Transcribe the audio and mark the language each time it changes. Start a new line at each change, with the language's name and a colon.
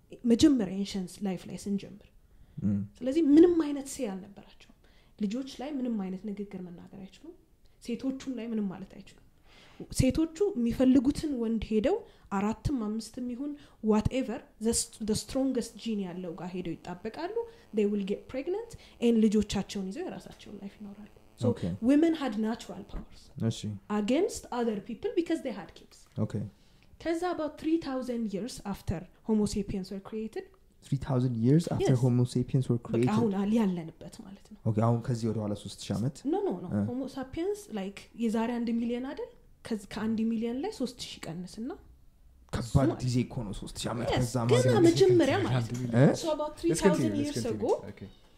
Amharic: majemmer ancient life life in jember ስለዚህ ምንም አይነት ሴ ያልነበራቸው ልጆች ላይ ምንም አይነት ንግግር መናገር አይችሉም ሴቶቹም ላይ ምንም ማለት አይችሉም ሴቶቹ የሚፈልጉትን ወንድ ሄደው አራትም አምስትም ይሁን
English: whatever the strongest gene
Amharic: ያለው ጋር ሄደው ይጣበቃሉ
English: they will get pregnant and
Amharic: ልጆቻቸውን ይዘው የራሳቸውን life ይኖራሉ
English: So okay. women had natural powers against other people because they had kids. Okay. Kaza about 3000 years after Homo sapiens were created. 3000 years after Homo sapiens were created.
Amharic: Okay, አሁን አለ ያለንበት ማለት ነው። Okay, አሁን ከዚህ ወደ ኋላ 3000 ዓመት?
English: No.
Amharic: Homo sapiens like የዛሬ 1 ሚሊዮን አይደል? ከ1 ሚሊዮን ላይ 3000 ቀንስና ከባድ ጊዜ እኮ ነው 3000 ዓመት ከዛ ማለት ነው። ገና መጀመሪያ ማለት ነው።
English: So about 3000 years ago. Okay.